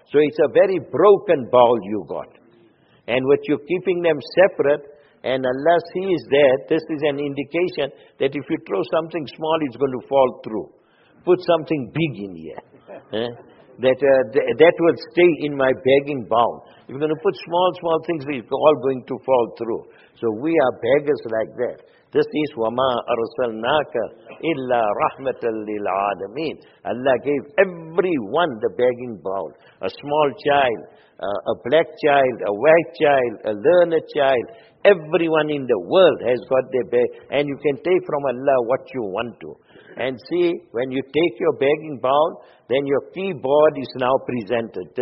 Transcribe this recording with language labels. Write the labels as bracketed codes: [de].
[en] So it's a very broken bowl you got. And what you're keeping them separate, and Allah sees that, this is an indication that if you throw something small, it's going to fall through. Put something big in here. that will stay in my begging bound. If you're going to put small, small things, it's all going to fall through. So we are beggars like that. This is [ar] وَمَا أَرْسَلْنَاكَ إِلَّا رَحْمَةً لِلْعَالَمِينَ. [en] Allah gave everyone the begging bowl. A small child, a black child, a white child, a learned child. Everyone in the world has got their bag. And you can take from Allah what you want to. And see, when you take your begging bowl, then your keyboard is now presented.